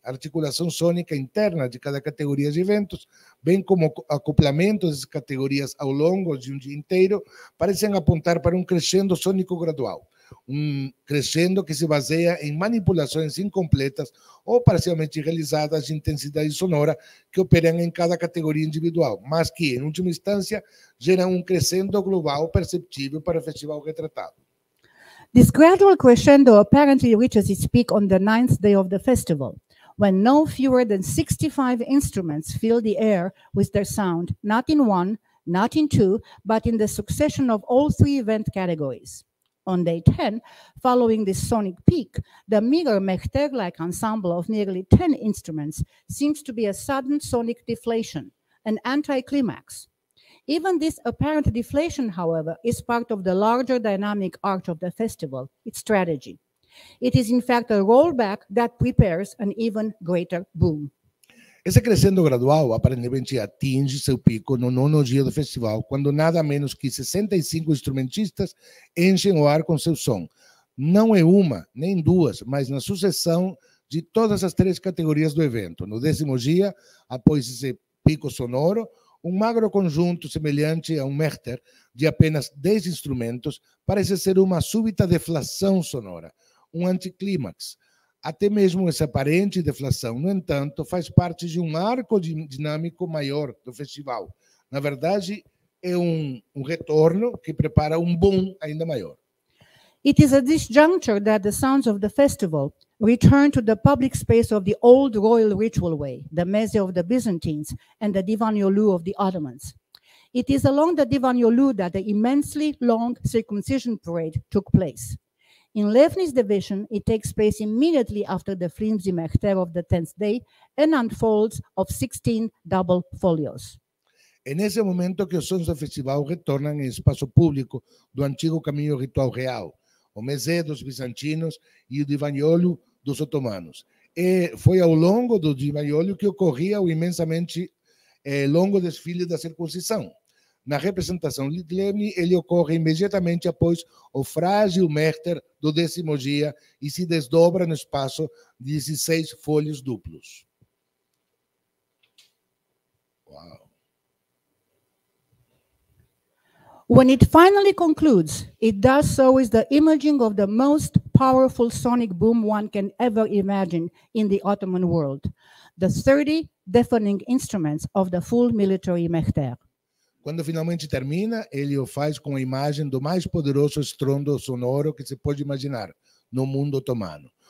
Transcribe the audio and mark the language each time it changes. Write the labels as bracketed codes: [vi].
[pt] A articulação sônica interna de cada categoria de eventos, bem como acoplamento dessas categorias ao longo de um dia inteiro, parecem apontar para um crescendo sônico gradual. um crescendo que se baseia em manipulações incompletas ou parcialmente realizadas de intensidade sonora que operam em cada categoria individual, mas que, em última instância, geram um crescendo global perceptível para o festival retratado. [en] This gradual crescendo apparently reaches its peak on the ninth day of the festival, when no fewer than 65 instruments fill the air with their sound, not in one, not in two, but in the succession of all three event categories. On day 10, following this sonic peak, the meager Mechter-like ensemble of nearly 10 instruments seems to be a sudden sonic deflation, an anticlimax. Even this apparent deflation, however, is part of the larger dynamic arc of the festival, its strategy. It is, in fact, a rollback that prepares an even greater boom. [pt] Esse crescendo gradual aparentemente atinge seu pico no nono dia do festival, quando nada menos que 65 instrumentistas enchem o ar com seu som. Não é uma, nem duas, mas na sucessão de todas as três categorias do evento. No décimo dia, após esse pico sonoro, um magro conjunto semelhante a um Mechter de apenas 10 instrumentos parece ser uma súbita deflação sonora, um anticlímax. Até mesmo essa aparente deflação, no entanto, faz parte de um arco dinâmico maior do festival. Na verdade, é um retorno que prepara um boom ainda maior. [en] It is at this juncture that the sounds of the festival return to the public space of the old royal ritual way, the meze of the Byzantines and the divan yolu of the Ottomans. It is along the divan yolu that the immensely long circumcision parade took place. In Levni's division, it takes place immediately after the flimsy Mechter of the 10th day and unfolds of 16 double folios. [pt] É nesse momento que os sons do festival retornam em espaço público do antigo caminho ritual real, o mesé dos bizantinos e o divanholo dos otomanos. E foi ao longo do divanholo que ocorria o imensamente longo desfile da circuncisão. Na representação de Levni, ele ocorre imediatamente após o frágil Mechter do décimo dia e se desdobra no espaço de 16 folhos duplos. Uau. [en] When it finally concludes, it does so with the imaging of the most powerful sonic boom one can ever imagine in the Ottoman world, the 30 deafening instruments of the full military Mechter. [pt] Quando finalmente termina, ele o faz com a imagem do mais poderoso estrondo sonoro que se pode imaginar no mundo otomano.